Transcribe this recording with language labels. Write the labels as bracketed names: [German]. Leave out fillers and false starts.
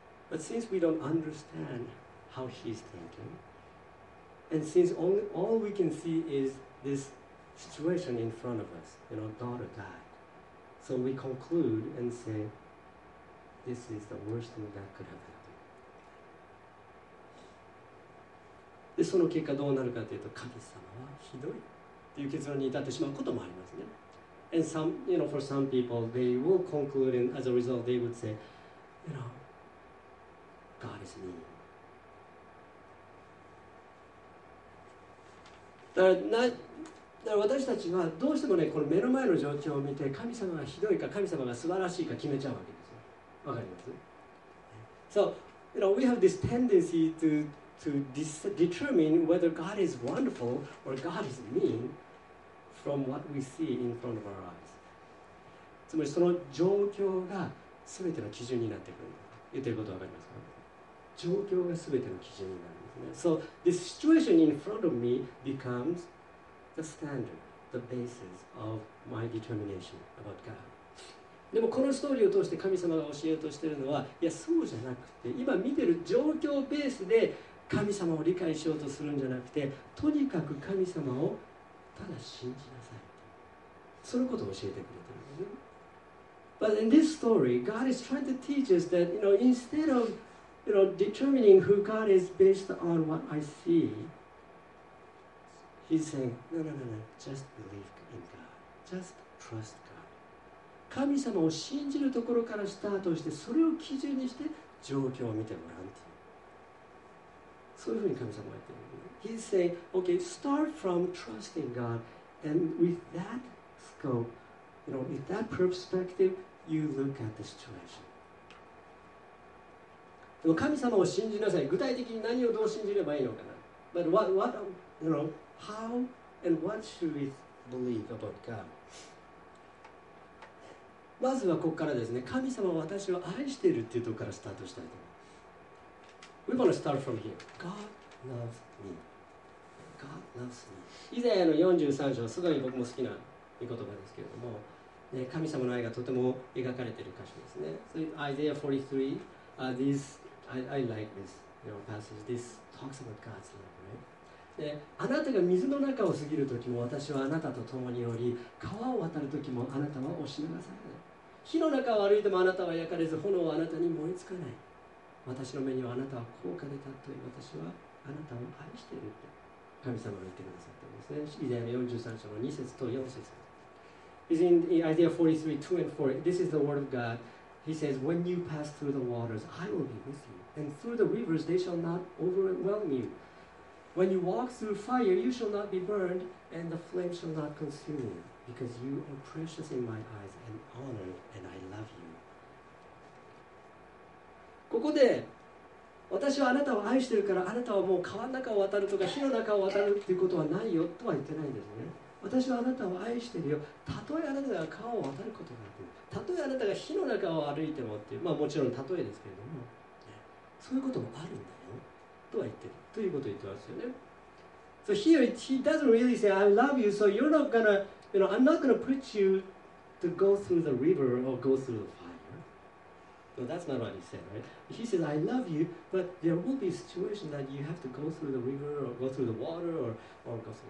[English] But since we don't understand how he's thinking,And since only, all we can see is this situation in front of us, you know, daughter died. So we conclude and say, this is the worst thing that could have happened. [Japanese] で、その結果どうなるかというと、神様はひどいという結論に至ってしまうこともありますね。 [English] And some, you know, for some people, they will conclude and as a result, they would say, you know, God is mean. [Japanese] だから私たちはどうしても、ね、この目の前の状況を見て神様がひどいか神様が素晴らしいか決めちゃうわけですよ。わかります [English] ？So, you know, we have this tendency to determine whether God is wonderful or God is mean from what we see in front of our eyes. [Japanese] つまりその状況が全ての基準になってくる。言ってることわかりますか？状況が全ての基準になる。 [English] So this situation in front of me becomes the standard, the basis of my determination about God. [Japanese] でもこのストーリーを通して神様が教えようとしているのは、いやそうじゃなくて、今見てる状況ベースで神様を理解しようとするんじゃなくて、とにかく神様をただ信じなさい。そのことを教えてくれてるんですね。 [English] But in this story, God is trying to teach us that, you know, instead ofYou know, determining who God is based on what I see, he's saying, no, no, no, no, just believe in God. Just trust God. [Japanese] 神様を信じるところからスタートして、それを基準にして状況を見てもらうっていう。そういうふうに神様は言ってる。 [English] He's saying, okay, start from trusting God, and with that scope, you know, with that perspective, you look at the situation. [Japanese] でも神様を信じなさい。具体的に何をどう信じればいいのかな。 [English] But what, you know, how and what should we believe about God? [Japanese] まずはここからですね。神様は私を愛しているっていうところからスタートしたいと思います。 [English] We want to start from here. God loves me. God loves me. [Japanese] イザヤの43章、すごい僕も好きな御言葉ですけれども、ね、神様の愛がとても描かれている箇所ですね。 [English] So, Isaiah 43. This, I like this, you know, passage. This talks about God's love, right? [Japanese] あなたが水の中を過ぎるときも私はあなたと共におり、川を渡るときもあなたは押しながされない。火の中を歩いてもあなたは焼かれず、炎はあなたに燃えつかない。私の目にはあなたは高価で尊い。私はあなたを愛しているって神様が言ってくださったんですね。イザヤの43章の2節と4節。 [English] Is in Isaiah 43, 2 and 4. This is the word of God. He says, when you pass through the waters, I will be with you. And through the rivers, they shall not overwhelm you. When you walk through fire, you shall not be burned, and the flame shall not consume you, because you are precious in my eyes and honored, and I love you. [Japanese] ここで、私はあなたを愛してるから、あなたはもう川の中を渡るとか火の中を渡るっていうことはないよとは言ってないんですね。私はあなたを愛してるよ、たとえあなたが川を渡ることがあって、たとえあなたが火の中を歩いてもっていう、まあもちろんたとえですけれども、ね、そういうこともあるんだよとは言ってるということを言ってますよね。 [English] So here he doesn't really say I love you, so you're not gonna, you know, I'm not gonna put you to go through the river or go through the fire. No, that's not what he said, right? He says I love you, but there will be a situation that you have to go through the river or go through the water or go through the fire.